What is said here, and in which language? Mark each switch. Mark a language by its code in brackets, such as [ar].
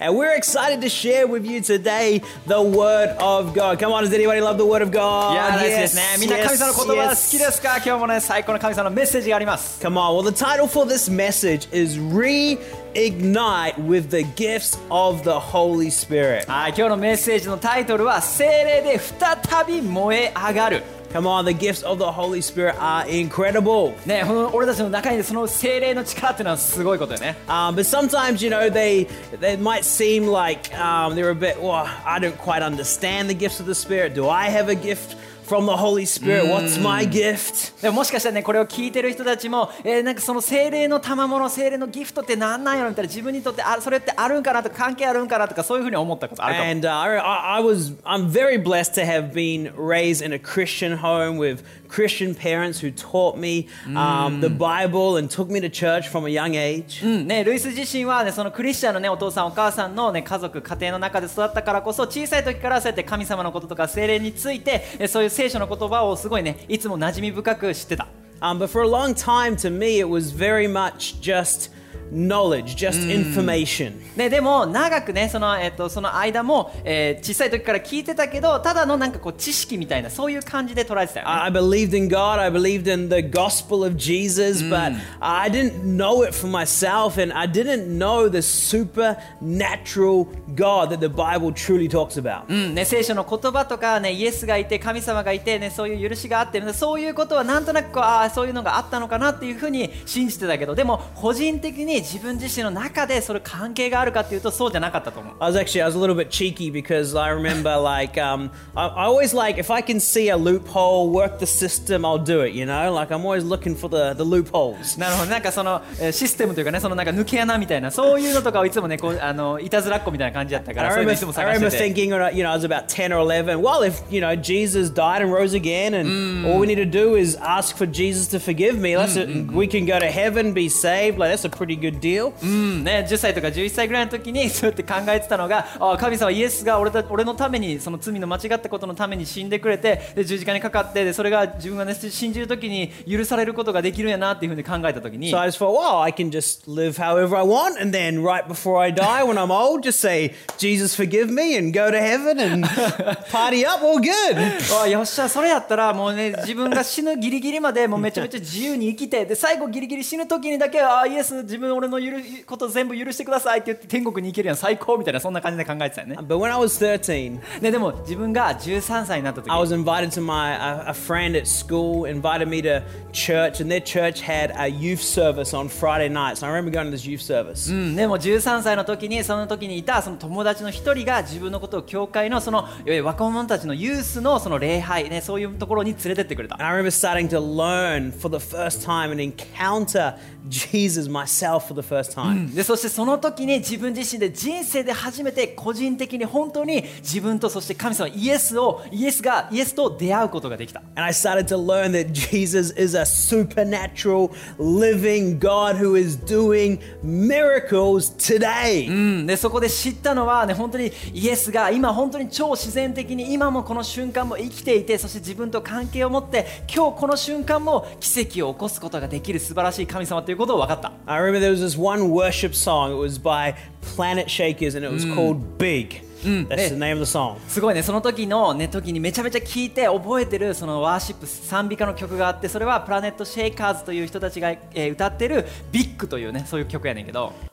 [en] And we're excited to share with you today the word of God. Come on, does anybody love the word of God? Yeah, yes, yes, yes. [ja] みんな神様の言葉好きですか? 今日もね最高の神様のメッセージがあります。 [en] Come on. Well, the title for this message is Reignite with the gifts of the Holy Spirit. [ja] はい、今日のメッセージのタイトルは聖霊で再び燃え上がる。 [en] Come on, the gifts of the Holy Spirit are incredible. [ja] ね、俺たちの中にその聖霊の力っていうのはすごいことよね。 [en] But sometimes, you know, they might seem like, they're a bit, well, I don't quite understand the gifts of the Spirit. Do I have a gift from the Holy Spirit? What's my gift? [ja] でももしかしたらね、これを聞いてる人たちも、なんかその聖霊の賜物、聖霊のギフトってなんなんやろみたいな、自分にとってそれってあるんかなとか、関係あるんかなとか、そういうふうに思ったことあるかも。 [en] And I'm very blessed to have been raised in a Christian home with Christian parents who taught me the Bible and took me to church from a young age. [ja] ね、ルイス自身はね、そのクリスチャンのね、お父さんお母さんのね、家族家庭の中で育ったからこそ、小さい時からそうやって神様のこととか聖霊について、そういう聖書の言葉をすごいね、いつも馴染み深く知ってた。 [en] But for a long time, to me, it was very much just knowledge, just information. [ja] ね、でも長くね、その間も、小さい時から聞いてたけど、ただのなんかこう知識みたいな、そういう感じで捉えてたよね。 [en] I believed in God, I believed in the gospel of Jesus, but I didn't know it for myself, and I didn't know the supernatural God that the Bible truly talks about. [ja] ね、聖書の言葉とかね、イエスがいて、神様がいてね、そういう許しがあって、そういうことはなんとなくこう、ああ、そういうのがあったのかなっていうふうに信じてたけど、でも個人的に自分自身の中でそれ関係があるかっていうとそうじゃなかったと思う。 [en] I was a little bit cheeky because I remember like I always like if I can see a loophole work the system I'll do it, you know? Like I'm always looking for the loopholes. [ja] なるほど、なんかそのシステムというかね、そのなんか抜け穴みたいな、そういうのとかをいつもね、こういたずらっ子みたいな感じだったから、そういうのいつも探してて。 [en] I remember thinking, you know, I was about 10 or 11. Well, if, you know, Jesus died and rose again and all we need to do is ask for Jesus to forgive me, we can go to heaven, be saved. Like that's a pretty good deal. [ja] ね、10歳とか11歳ぐらいの時にそうやって考えてたのが、神様イエスが俺のためにその罪の間違ったことのために死んでくれて、で十字架にかかって、でそれが自分がね信じる時に許されることができるんやなっていうふうに考えた時に、 [en] So I just thought, well, I can just live however I want, and then right before I die, when I'm old, just say, Jesus, forgive me, and go to heaven and party up, all good. [ja] わ、よっしゃ、それやったらもうね、自分が死ぬギリギリまでもうめちゃめちゃ自由に生きて、で最後ギリギリ死ぬ時にだけ、イエス自分俺のこと全部許してくださいって言って天国に行けるやん最高みたいな、そんな感じで考えてたよね。 [en] But when I was 13、 [ja] ね、でも自分が13歳になった時、 [en] I was invited to my a friend at school invited me to church and their church had a youth service on Friday night. So I remember going to this youth service、 [ja] でも13歳の時にその時にいたその友達の一人が自分のことを教会のその若者たちのユースのその礼拝ね、そういうところに連れてってくれた。 [en] And I remember starting to learn for the first time and encounter Jesus myself for the first time. [ja] で、そしてその時に自分自身で人生で初めて個人的に本当に自分とそして神様イエスと出会うことができた。 [en] And I started to learn that Jesus is a supernatural living God who is doing miracles today. [ja] で、そこで知ったのはね、本当にイエスが今本当に超自然的に今もこの瞬間も生きていて、そして自分と関係を持って今日この瞬間も奇跡を起こすことができる素晴らしい神様ということを分かった。 [en] I remember there was this one worship song. It was by Planet Shakers and it was called Big. That's the name of the song. [ja] すごいね。その時のね、時にめちゃめちゃ聞いて覚えてるそのワーシップ賛美歌の曲があって、それはPlanet Shakersという人たちが歌ってる Big というね、そういう曲やねんけど。